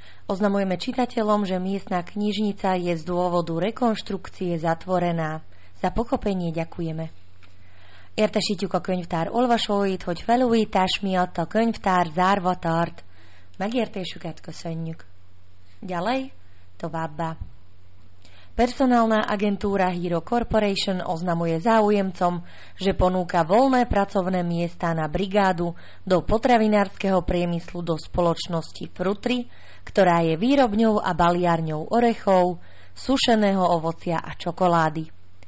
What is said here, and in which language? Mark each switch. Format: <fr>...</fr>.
<sk>Oznamujeme čitateľom, že miestna knižnica je z dôvodu rekonštrukcie zatvorená. Za pochopenie ďakujeme.</sk> <hu>Értesítjük a könyvtár olvasóit, hogy felújítás miatt a könyvtár zárva tart. Megértésüket köszönjük.</hu> <sk>Ďalej,</sk> <hu>továbbá.</hu> <sk>Personálna agentúra Hero Corporation oznamuje záujemcom, že ponúka voľné pracovné miesta na brigádu do potravinárskeho priemyslu do spoločnosti Frutri, ktorá je výrobňou a baliárňou orechov, sušeného ovocia a čokolády.</sk>